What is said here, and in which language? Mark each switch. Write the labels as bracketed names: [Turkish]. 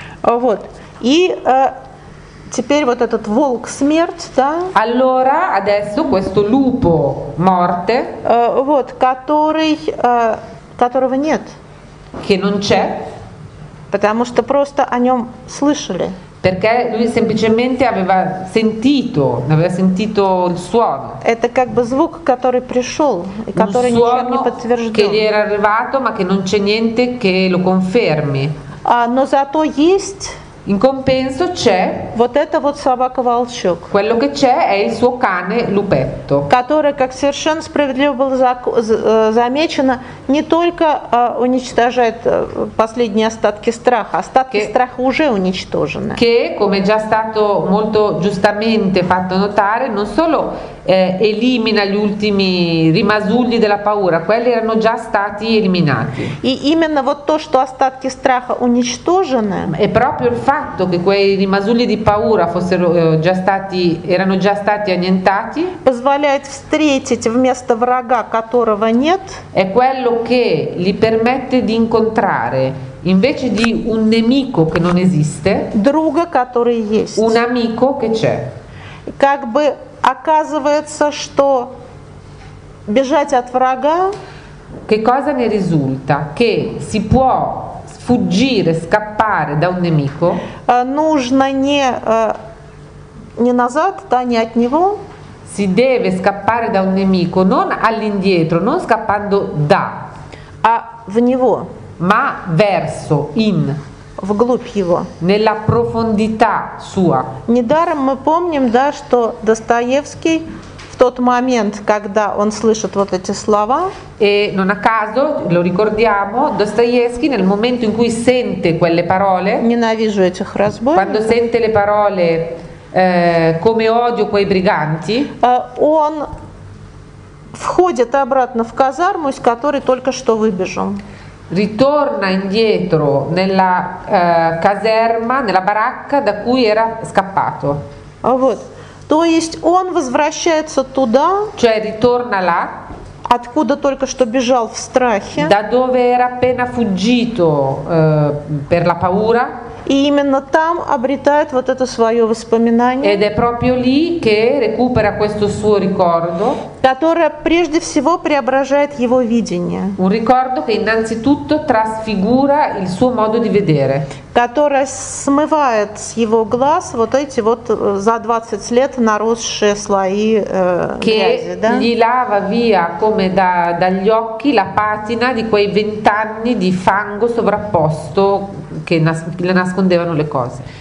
[Russian] Вот. И теперь вот этот волк смерть, да? [Italian] Allora, adesso questo lupo morte. [Russian] Вот, который, которого нет. [Italian] Che non c'è. [Russian] Потому что просто о нем слышали. [Italian] Perché lui semplicemente aveva sentito il suono. [Russian] Это как бы звук, который пришел и который ничем не подтвержден. [Italian] Che gli era arrivato, ma che non c'è niente che lo confermi. [Russian] Но зато есть. [Italian] In compenso c'è [Russian] вот это вот собака волчок. [Italian] Quello che c'è è il suo cane Lupetto. [Russian] Которое, как совершенно справедливо было замечено, не только уничтожает последние остатки страха, остатки страха уже уничтожены. [Italian] Che, come già stato molto giustamente fatto notare, non solo elimina gli ultimi rimasugli della paura, quelli erano già stati eliminati. [Russian] И именно вот то, что остатки страха уничтожены, [Italian] è proprio il fatto che quei rimasugli di paura fossero già stati erano già stati annientati [Russian] позволяет встретить вместо врага, которого нет, [Italian] è quello che gli permette di incontrare invece di un nemico che non esiste [Russian] друга, который есть, [Italian] un amico che c'è. [Russian] Как бы оказывается, что бежать от врага, [Italian] che cosa ne risulta, che si può fuggire, scappare da un nemico? [Russian] Нужно не назад, да, не от него. [Italian] Si deve scappare da un nemico, non all'indietro, non scappando da. [Russian] А в него. [Italian] Ma verso, in. [Russian] Вглубь его. [Italian] Nella profondità sua. [Russian] Недаром мы помним, да, что Достоевский в тот момент, когда он слышит вот эти слова, [Italian] e non a caso lo ricordiamo, Dostoevskij nel momento in cui sente quelle parole, [Russian] ненавижу этих разбойников, [Italian] quando sente le parole come odio quei briganti, [Russian] он входит обратно в казарму, из которой только что выбежал. [Italian] Ritorna indietro nella caserma, nella baracca da cui era scappato. [Russian] Вот. То есть он возвращается туда, [Italian] cioè ritorna là, [Russian] откуда только что бежал в страхе, [Italian] da dove era appena fuggito per la paura, [Russian] и именно там обретает вот это свое воспоминание, [Italian] ed è proprio lì che recupera questo suo ricordo, [Russian] которое прежде всего преображает его видение, [Italian] un ricordo che innanzitutto trasfigura il suo modo di vedere, [Russian] которое смывает с его глаз вот эти вот за 20 лет наросшие слои [Italian] che [Russian] грязи, да? [Italian] Gli lava via come dagli occhi la patina di quei 20 anni di fango sovrapposto che le nascondevano le cose.